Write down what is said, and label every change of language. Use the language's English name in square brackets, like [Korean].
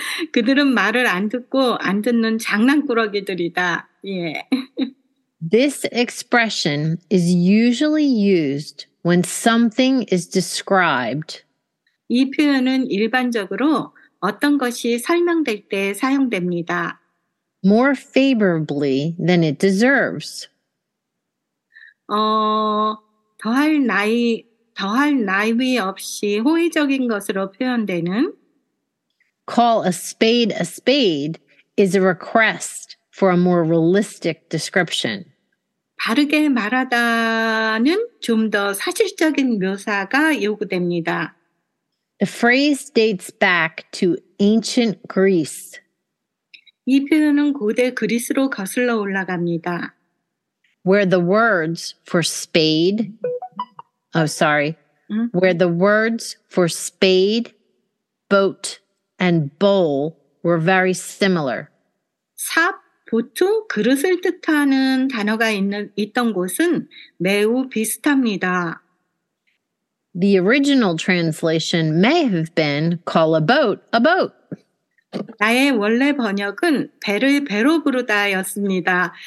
[Korean] 그들은 말을 안 듣고 안 듣는 장난꾸러기들이다. 예. [English] This expression is usually used when something is described. [Korean] 이 표현은 일반적으로 어떤 것이 설명될 때 사용됩니다. [English] More favorably than it deserves. [Korean] 더할 나위 없이 호의적인 것으로 표현되는 [English] Call a spade is a request for a more realistic description. [Korean] 바르게 말하다는 좀 더 사실적인 묘사가 요구됩니다. [English] The phrase dates back to ancient Greece. [Korean] 이 표현은 고대 그리스로 거슬러 올라갑니다. [English] Where the words for spade, oh sorry, 응? where the words for spade, boat, and bowl were very similar. [Korean] 삽, 보통 그릇을 뜻하는 단어가 있던 곳은 매우 비슷합니다. [English] The original translation may have been call a boat a boat. [Korean] 나의 원래 번역은 배를 배로 부르다였습니다.